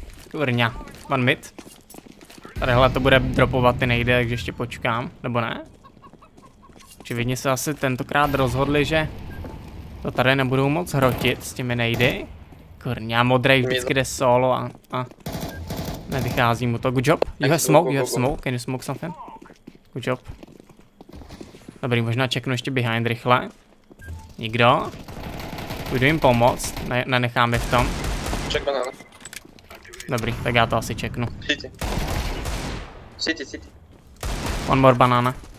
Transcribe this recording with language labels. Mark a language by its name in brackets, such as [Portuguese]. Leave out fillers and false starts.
[Czech] Kurňa, [English] one mid. [Czech] Tadyhle to bude dropovat, ty nejde, takže ještě počkám, nebo ne? Očividně se asi tentokrát rozhodli, že to tady nebudou moc hrotit s těmi nejdy. Kurňa, modrej vždycky jde solo a nevychází mu to. [English] Good job, you have smoke, can you smoke something? Good job. [Czech] Dobrý, možná čeknu ještě behind rychle. Nikdo? Půjdu jim pomoct, nenechám je v tom. [English] Check banana. [Czech] Dobrý, tak já to asi čeknu. [English] City. City. One more banana.